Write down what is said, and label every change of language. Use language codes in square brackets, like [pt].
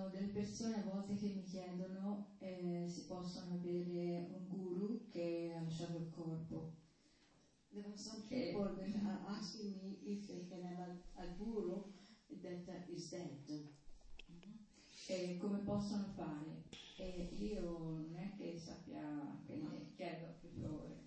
[it] Persone a volte che mi chiedono se possono avere un guru che ha lasciato il corpo. [en] There were some people that are asking me if they can have a guru that is dead. [it] E come possono fare? E io non è che sappia, quindi chiedo per favore.